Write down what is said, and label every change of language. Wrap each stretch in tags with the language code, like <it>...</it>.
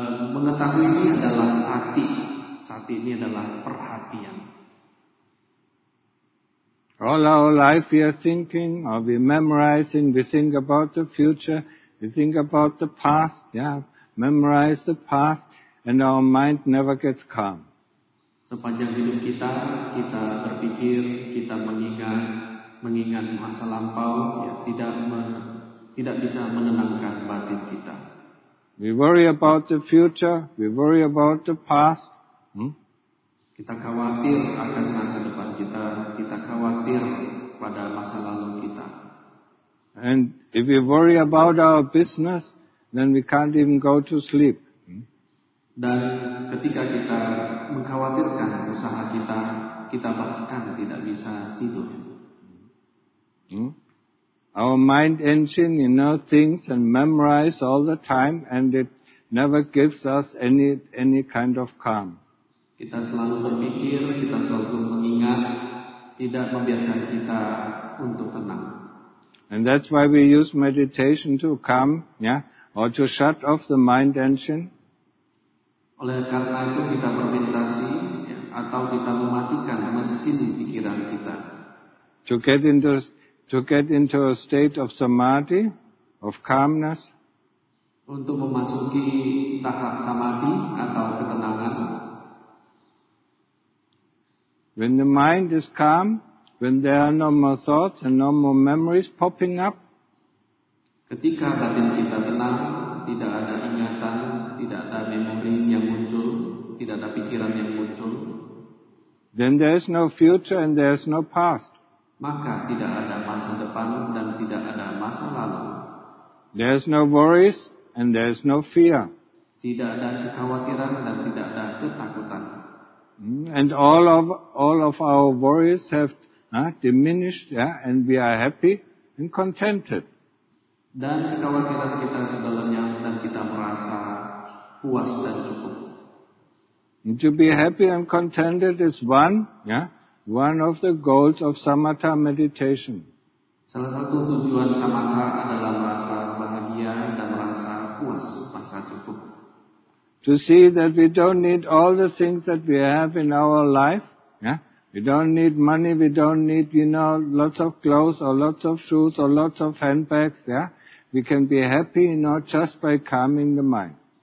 <id>Mengetahui ini adalah sati. Sati ini adalah perhatian.</id> <en>All our life we are thinking, or we are memorizing, we think about the future, we think about the past, yeah, memorize the past, and our mind never gets calm.</en> <id>Sepanjang hidup kita, kita berpikir, kita mengingat masa lampau, ya, tidak bisa menenangkan batin kita.</id> <en>We worry about the future, we worry about the past.</en> <id>Kita khawatir akan masa depan kita, kita khawatir pada masa lalu kita.</id> <en>And if we worry about our business, then we can't even go to sleep.</en> <id>Dan ketika kita mengkhawatirkan usaha kita, kita bahkan tidak bisa tidur.</id> <en>Our mind engine, you know, thinks and memorize all the time, and it never gives us any kind of calm.</en> <id>Kita selalu berpikir, kita selalu mengingat, tidak membiarkan kita untuk tenang.</id> <en>And that's why we use meditation to calm, yeah, or to shut off the mind engine.</en> <id>Oleh karena itu kita bermeditasi, ya, atau kita mematikan mesin pikiran kita.</id> <en>To get into a state of samadhi, of calmness.</en> <id>Untuk memasuki tahap samadhi atau ketenangan.</id> <en>When the mind is calm, when there are no more thoughts and no more memories popping up.</en> <id>Ketika batin kita tenang, tidak ada ingatan, tidak ada memori yang muncul, tidak ada pikiran yang muncul.</id> <en>Then there is no future and there is no past.</en> <id>Maka tidak ada masa depan dan tidak ada masa lalu.</id> <en>There is no worries and there is no fear.</en> <id>Tidak ada kekhawatiran dan tidak ada ketakutan.</id> <en>And all of our worries have diminished, yeah, and we are happy and contented.</en> <id>Dan kekhawatiran kita sudah lenyap dan kita merasa puas dan cukup.</id> <en>And to be happy and contented is one of the goals of Samatha meditation.</en> <id>Salah satu tujuan Samatha adalah merasa bahagia dan merasa puas, merasa cukup.</id> <en>To see that we don't need all the things that we have in our life. Yeah? We don't need money, we don't need, you know, lots of clothes or lots of shoes or lots of handbags. Yeah? We can be happy, you know, just by calming the mind.</en>